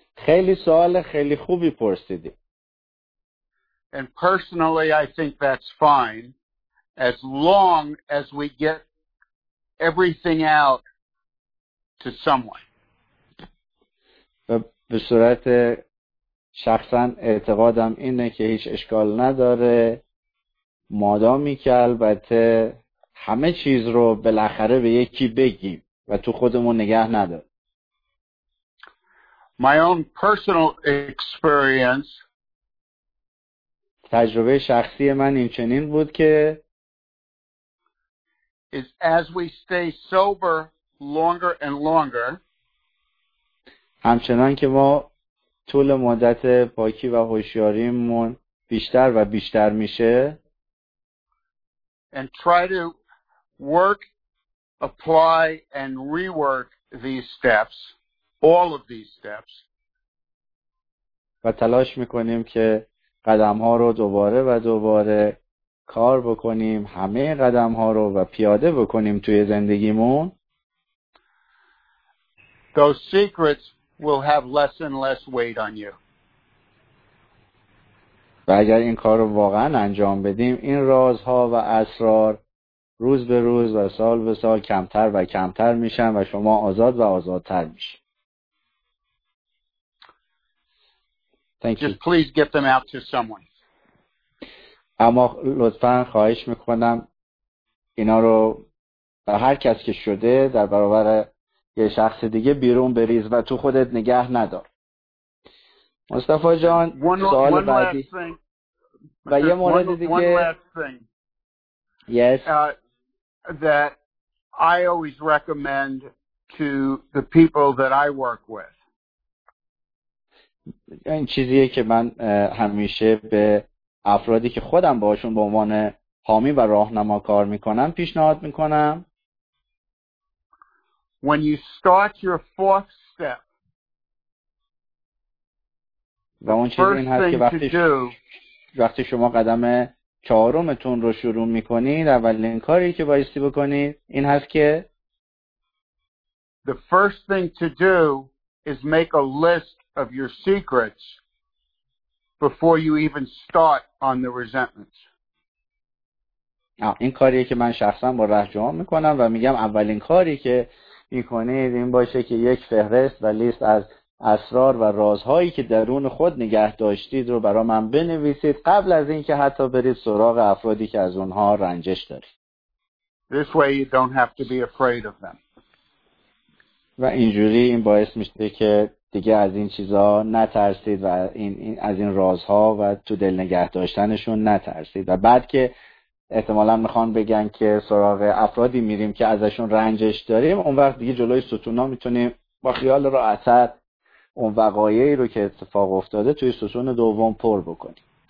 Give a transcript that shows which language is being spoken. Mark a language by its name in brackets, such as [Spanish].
[Persian] خیلی سوال خیلی خوبی پرسیدی. [English] And personally I think that's fine as long as we get everything out to someone. [Persian] به صورت شخصا اعتقادم اینه که هیچ اشکال نداره مادامی که البته همه چیز رو بالاخره به یکی بگیم و تو خودمون نگه نداره. [English] My own personal experience, [Persian] تجربه شخصی من این چنین بود که [English] is as we stay sober longer and longer, [Persian] همچنان که ما طول مدت پاکی و هوشیاریمون بیشتر و بیشتر میشه [English] and try to work, apply and rework these steps, all of these steps, [Persian] و تلاش میکنیم که قدم ها رو دوباره و دوباره کار بکنیم، همه قدم ها رو و پیاده بکنیم توی زندگیمون. [English] Those secrets will have less and less weight on you. [Persian] و اگر این کار رو واقعا انجام بدیم، این رازها و اسرار روز به روز و سال به سال کمتر و کمتر میشن و شما آزاد و آزادتر میشید. [English] Thank Just you. Please get them out to someone. [Persian] اما لطفاً خواهش میکنم اینا رو به هر کس که شده در برابر یه شخص دیگه بیرون بریز و تو خودت نگه ندار. مصطفی جان سوال بعدی و یه مورد دیگه. [English] Yes. That I always recommend to the people that I work with. [Persian] این چیزیه که من همیشه به افرادی که خودم باشون به عنوان حامی و راهنما کار میکنم پیشنهاد میکنم. [English] When you start your fourth step, [Persian] و اون چیزی این هست که وقتی شما قدم چهارمتون رو شروع میکنید، اولین کاری که بایستی بکنید این هست که [English] The first thing to do is make a list of your secrets before you even start on the resentments. [Persian] این کاریه که من شخصا با رهجوان میکنم و میگم اولین کاری که میکنید این باشه که یک فهرست و لیست از اسرار و رازهایی که درون خود نگه داشتید رو برای من بنویسید قبل از این که حتی برید سراغ افرادی که از اونها رنجش دارید. [English] This way you don't have to be afraid of them. [Persian] و اینجوری این باعث میشه که دیگه از این چیزا نترسید و این از این رازها و تو دل نگه داشتنشون نترسید و بعد که احتمالاً میخوان بگن که سراغ افرادی میریم که ازشون رنجش داریم اون وقت دیگه جلوی ستونا میتونیم با خیال راحت اون وقایعی رو که اتفاق افتاده توی ستون دوم پر بکنیم.